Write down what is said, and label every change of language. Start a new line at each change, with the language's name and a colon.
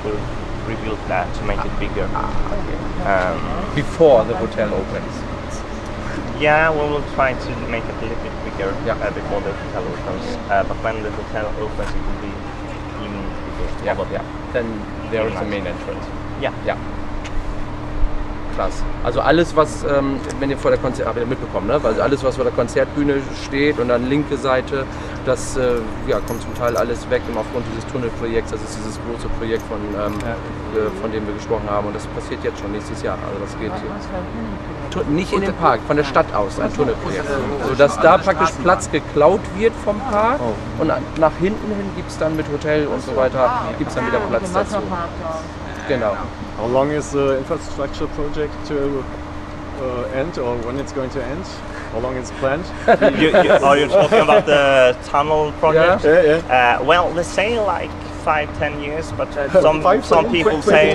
English: We'll rebuild that to make it bigger. Before the hotel opens. Yeah, we will try to make it a little bit bigger before the hotel opens. But when the hotel opens, it will be even bigger. Then there is the main entrance. Yeah.
German: Also alles, was wenn ihr vor der Konzert habt ihr mitbekommen, ne? Also alles, was vor der Konzertbühne steht und dann linke Seite, das kommt zum Teil alles weg, immer aufgrund dieses Tunnelprojekts. Das ist dieses große Projekt von dem wir gesprochen haben, und das passiert jetzt schon nächstes Jahr. Also das geht nicht in den Park, von der Stadt aus ein Tunnelprojekt, so dass da praktisch Platz geklaut wird vom Park und nach hinten hin gibt's dann mit Hotel und so weiter gibt's dann wieder Platz dazu. Genau.
English: How long is the infrastructure project to end, or when it's going to end? How long is planned? Are you talking about the tunnel project? Yeah. Well, they say like 5-10 years, but some people say